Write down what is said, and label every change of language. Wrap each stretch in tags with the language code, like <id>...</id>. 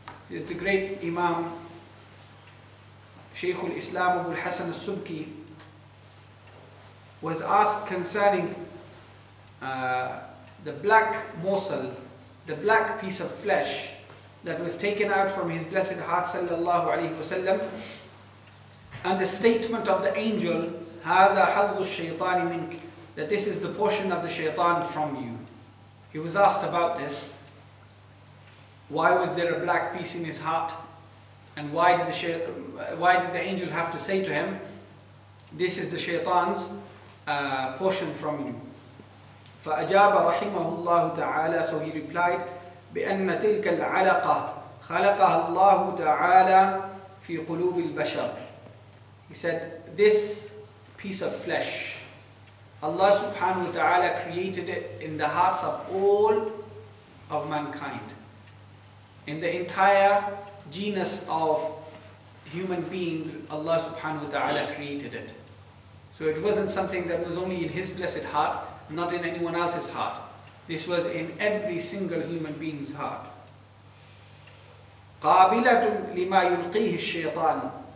<en>This is the great Imam, Shaykh al-Islam Abu al-Hasan al-Subki, was asked concerning the black morsel, the black piece of flesh that was taken out from his blessed heart sallallahu alayhi wa sallam, and the statement of the angel,</en> <ar>هَذَا حَظُّ الشَّيْطَانِ مِنْكِ,</ar> <en>that this is the portion of the shaitan from you. He was asked about this. Why was there a black piece in his heart? And why did the angel have to say to him, this is the shaitan's portion from you?</en> <ar>فَأَجَابَ رَحِمَهُ اللَّهُ تَعَالَى.</ar> <en>So he replied,</en> <ar>بِأَنَّ تِلْكَ الْعَلَقَةَ خَلَقَهَ اللَّهُ تَعَالَى فِي قُلُوبِ الْبَشَرِ.</ar> <en>He said, this piece of flesh, Allah subhanahu wa ta'ala created it in the hearts of all of mankind. In the entire genus of human beings, Allah subhanahu wa ta'ala created it. So it wasn't something that was only in his blessed heart, not in anyone else's heart. This was in every single human being's heart.</en> <ar>قابلة لما يلقيه الشيطان.</ar>